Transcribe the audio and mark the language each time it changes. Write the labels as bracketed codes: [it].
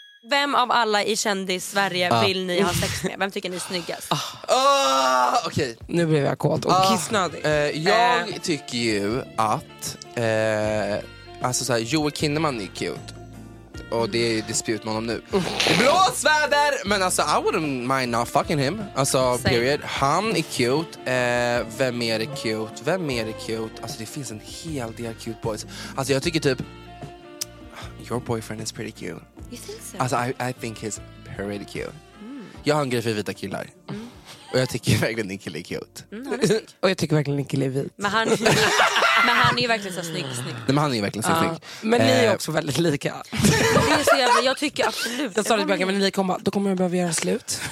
[sv] Vem av alla i kändis Sverige vill ni ha sex med? Vem tycker ni är snyggast? Okej, nu blev jag kåt och kissnödig. Jag tycker ju att alltså så här, Joel Kinnaman är cute. Och det är ju dispute med honom nu. Blåsväder! Men alltså, [en] I wouldn't mind not fucking him. [sv] Alltså, period. Han är cute. Vem är det cute? Vem är det cute? Alltså, det finns en hel del [en] cute boys. [sv] Alltså, jag tycker typ... [en] Your boyfriend is pretty cute. You think so? [sv] Alltså, [en] I think he's pretty cute. [sv] Jag har en grej för vita killar. Och jag tycker verkligen din kille är cute. Och jag tycker verkligen din kille är vit. Men han... Men han är ju verkligen så snygg, snygg. Nej, men han är ju verkligen så snygg. Men ni är också väldigt lika. Det är så jävla, jag tycker absolut. Jag sa lite men ni kommer, då kommer jag behöva göra slut.